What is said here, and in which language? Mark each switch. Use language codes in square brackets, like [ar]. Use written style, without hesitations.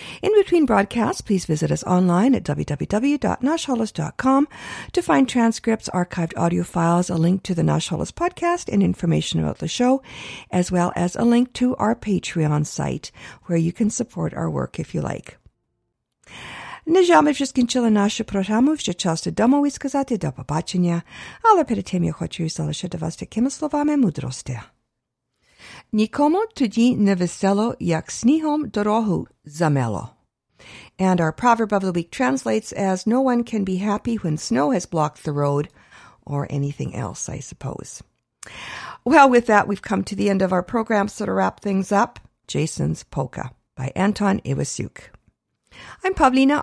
[en] In between broadcasts, please visit us online at www.nashholos.com to find transcripts, archived audio files, a link to the Nash Holos podcast and information about the show, as well as a link to our Patreon site where you can support our work if you like. [uk] Нежами вже скінчили нашу програму, вже час домовий сказати до побачення, але перед тим я хочу залишити вас такими словами мудрості. Нікому тоді не весело, як снігом дорогу замело. [en] And our proverb of the week translates as no one can be happy when snow has blocked the road, or anything else, I suppose. Well, with that, we've come to the end of our program, so to wrap things up, Jason's Polka by Anton Iwasyuk. I'm Pavlina.